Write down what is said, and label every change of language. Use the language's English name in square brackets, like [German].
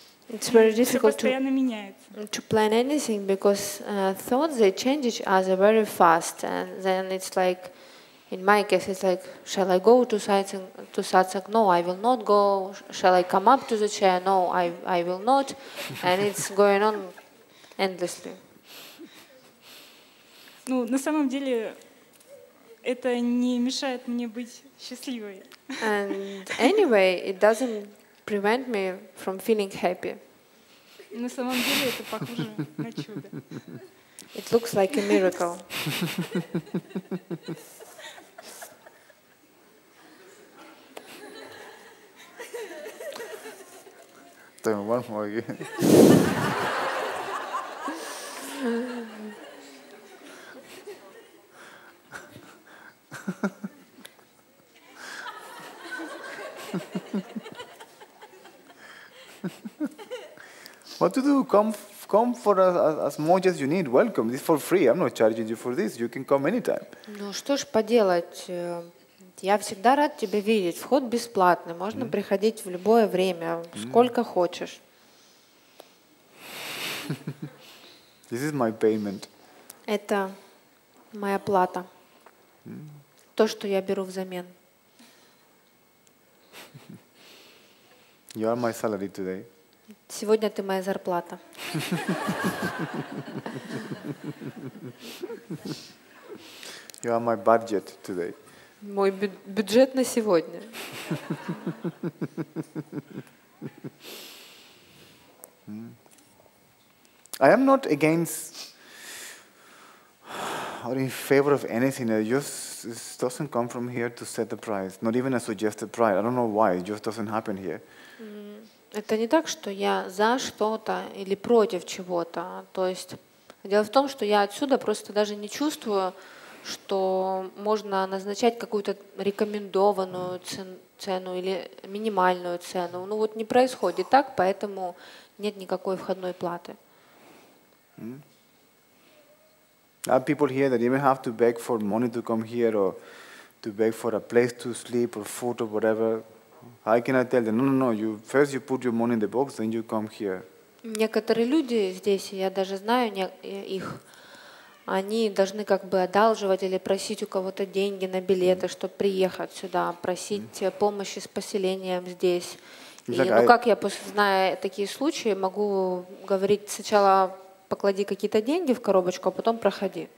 [English] It's very difficult to plan anything because thoughts, they change each other very fast. And then it's like, in my case, it's like, shall I go to satsang? No, I will not go. Shall I come up to the chair? No, I will not. And it's going on endlessly. [Russian] Ну, на самом деле, это не мешает мне быть счастливой. [English] And anyway, it doesn't prevent me from feeling happy. [Russian] На самом деле это похоже на чудо. [English] It looks like a miracle. Tell me one more again. What to do? Come for as much as you need. Welcome. This is for free. I'm not charging you for this. You can come anytime. [Russian] Ну что ж поделать? Я всегда рад тебя видеть. Вход бесплатный. Можно приходить в любое время, сколько хочешь. [English] This is my payment. [Russian] Это моя плата. То, что я беру взамен. [English] You are my salary today. [Russian] Сегодня ты моя зарплата. [English] You are my budget today. [Russian] Мой бюджет на сегодня. [English] I am not against or in favor of anything. It just doesn't come from here to set the price. Not even a suggested price. I don't know why. It just doesn't happen here. [Russian] Это не так, что я за что-то или против чего-то. То есть дело в том, что я отсюда просто даже не чувствую, что можно назначать какую-то рекомендованную цену или минимальную цену. Ну вот не происходит так, поэтому нет никакой входной платы. [English] There are people here that even have to beg for money to come here or to beg for a place to sleep or food or whatever. How can I tell them? No. You first you put your money in the box, then you come here. [Russian] Некоторые люди здесь, я даже знаю их, они должны как бы одалживать или просить у кого-то деньги на билеты, чтобы приехать сюда, просить помощи с поселением здесь. И, ну как я, зная такие случаи, могу говорить сначала поклади какие-то деньги в коробочку, а потом проходи.